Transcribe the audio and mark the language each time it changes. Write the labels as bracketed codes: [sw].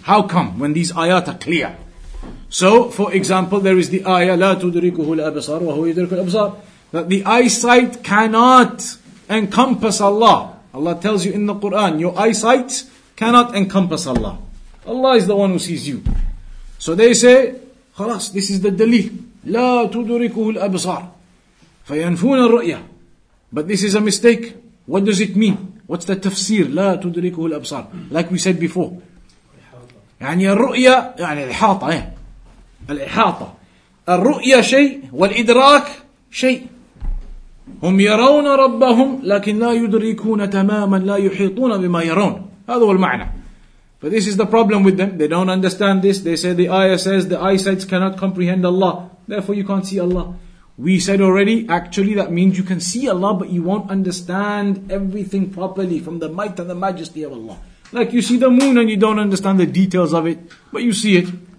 [en] How come? When these ayat are clear. So, for example, there is the ayah, [ar] لا تدركه الأبصار وهو يدرك الأبصار, [en] that the eyesight cannot encompass Allah. Allah tells you in the Quran, your eyesight cannot encompass Allah. Allah is the one who sees you. So they say, خلاص, this is the dalil. [ar] لا تدركه الأبصار فينفون الرؤية. [en] But this is a mistake. What does it mean? What's the tafsir? [ar] لا تدركه الأبصار. [en] Like we said before. [ar] يعني الرؤية يعني الإحاطة. الإحاطة. الرؤية شيء والإدراك شيء. هم يرون ربهم لكن لا يدركون تماما, لا يحيطون بما يرون. هذا هو المعنى. [en] But this is the problem with them. They don't understand this. They say the ayah says the eyesight cannot comprehend Allah. Therefore you can't see Allah. We said already, actually that means you can see Allah, but you won't understand everything properly from the might and the majesty of Allah. Like you see the moon and you don't understand the details of it, but you see it.